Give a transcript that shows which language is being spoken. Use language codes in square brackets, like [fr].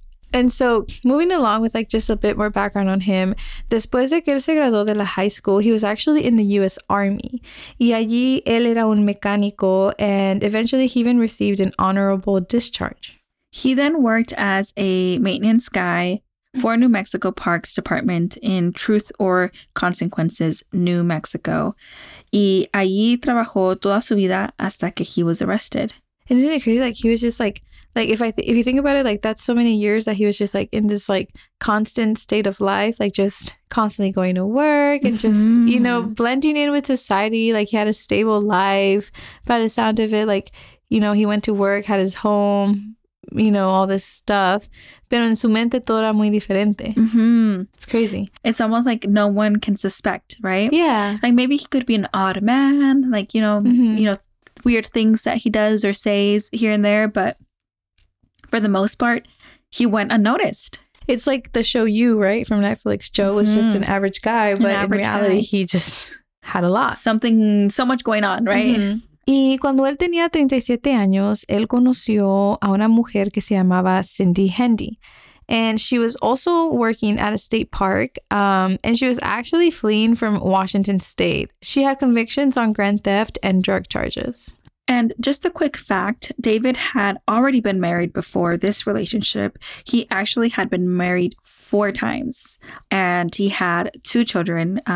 [en] And so moving along with like just a bit more background on him, [es] después de que él se graduó de la [en] high school, he was actually in the U.S. Army. [es] Y allí él era un mecánico, [en] and eventually he even received an honorable discharge. He then worked as a maintenance guy for New Mexico Parks Department in Truth or Consequences, New Mexico. [es] Y allí trabajó toda su vida hasta que [en] he was arrested. And isn't it crazy? Like, he was just like, if you think about it, like, that's so many years that he was just like in this like constant state of life, like just constantly going to work and just, mm-hmm. you know, blending in with society. Like, he had a stable life by the sound of it. Like, you know, he went to work, had his home, you know, all this stuff. [es] Pero en su mente todo era muy diferente. Mm-hmm. [en] It's crazy. It's almost like no one can suspect, right? Yeah. Like, maybe he could be an odd man, like, you know, mm-hmm. you know, weird things that he does or says here and there. But for the most part, he went unnoticed. It's like the show You, right? From Netflix. Joe mm-hmm. was just an average guy, but average in reality, guy. He just had a lot. Something, so much going on, right? Mm-hmm. [es] Y cuando él tenía 37 años, él conoció a una mujer que se llamaba Cindy Hendy. [en] And she was also working at a state park, and she was actually fleeing from Washington State. She had convictions on grand theft and drug charges. And just a quick fact, David had already been married before this relationship. He actually had been married 4 times, and he had 2 children.